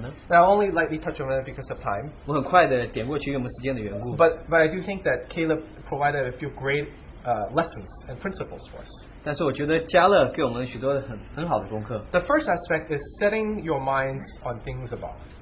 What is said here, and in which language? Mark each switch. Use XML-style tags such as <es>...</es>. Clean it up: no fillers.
<en>now, only lightly touch on it because of time.</en> <zh>我很快地点过去,</zh> <en>but I do think that Caleb provided a few great lessons and principles for us.</en> <zh>但是我觉得加勒给我们许多很好的功课。</zh> <en>The first aspect is setting your minds on things above.</en>